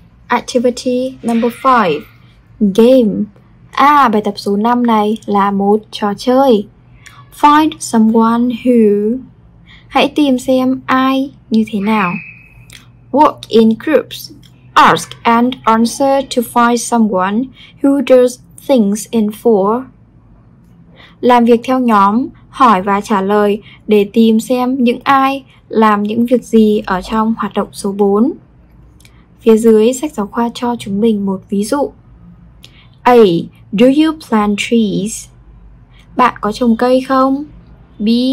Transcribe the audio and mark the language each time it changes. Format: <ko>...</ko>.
<en>Activity number 5. Game.</en> <vi>À, bài tập số 5 này là một trò chơi.</vi> <en>Find someone who.</en> <vi>Hãy tìm xem ai như thế nào.</vi> <en>Work in groups. Ask and answer to find someone who does things in four.</en> <vi>Làm việc theo nhóm, hỏi và trả lời để tìm xem những ai làm những việc gì ở trong hoạt động số 4. Phía dưới, sách giáo khoa cho chúng mình một ví dụ. A.</vi> <en>Do you plant trees?</en> <vi>Bạn có trồng cây không? B.</vi>